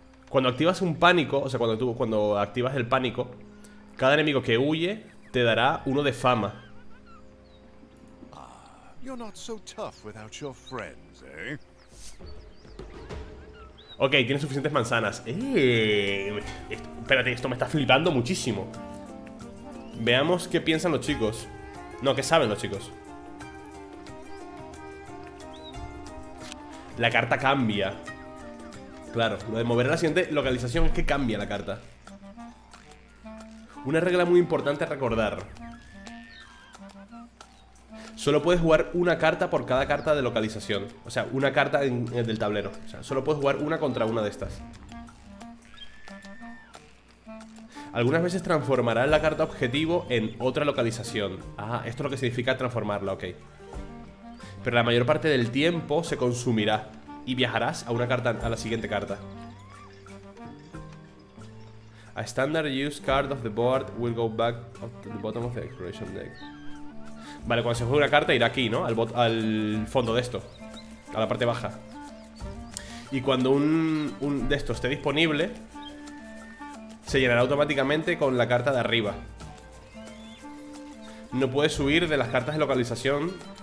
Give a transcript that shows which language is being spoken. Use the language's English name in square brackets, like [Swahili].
[Spanish] Cuando activas un pánico, o sea, cuando activas el pánico, cada enemigo que huye te dará 1 de fama. [English] You're not so tough without your friends, eh? [Spanish] Ok, tienes suficientes manzanas. Espérate, esto me está flipando muchísimo. Veamos qué piensan los chicos. No, ¿qué saben los chicos? La carta cambia. Claro, lo de mover a la siguiente localización es que cambia la carta. Una regla muy importante a recordar. Solo puedes jugar una carta por cada carta de localización. O sea, una carta del tablero. O sea, solo puedes jugar una contra una de estas. Algunas veces transformará la carta objetivo en otra localización. Ah, esto es lo que significa transformarla, ok. Pero la mayor parte del tiempo se consumirá y viajarás a la siguiente carta. [English] A standard used card of the board will go back to the bottom of the exploration deck. [Spanish] Vale, cuando se juegue una carta irá aquí, ¿no? Al fondo de esto. A la parte baja. Y cuando un de esto esté disponible, se llenará automáticamente con la carta de arriba. No puedes huir de las cartas de localización.